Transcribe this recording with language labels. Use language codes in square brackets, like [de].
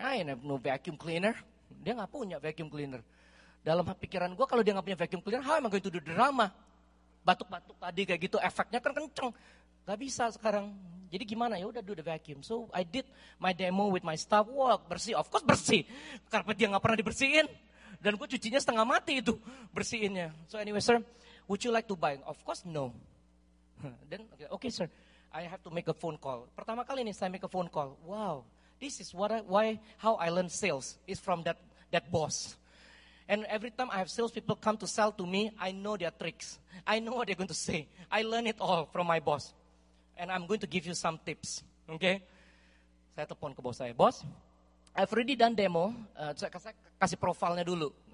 [en] I have no vacuum cleaner. [id] Dia gak punya vacuum cleaner. Dalam pikiran gue, kalau dia gak punya vacuum cleaner, [en] how am I going to do drama? [id] Batuk-batuk tadi kayak gitu, efeknya kan kenceng. Gak bisa sekarang. Jadi gimana? Ya udah [en] do the vacuum. So I did my demo with my staff. [id] Wah, bersih. [en] Of course [id] bersih. Karpet dia gak pernah dibersihin. Dan gue cucinya setengah mati itu, bersihinnya. [en] So anyway, sir, would you like to buy? Of course, no. Then, okay, sir, I have to make a phone call. [id] Pertama kali nih saya [en] make a phone call. Wow, this is how I learn sales is from that boss. And every time I have sales people come to sell to me, I know their tricks. I know what they're going to say. I learn it all from my boss. And I'm going to give you some tips, okay? [id] Saya telepon ke bos saya. Bos, [en] I've already done demo. [id] Saya kasih profilnya dulu.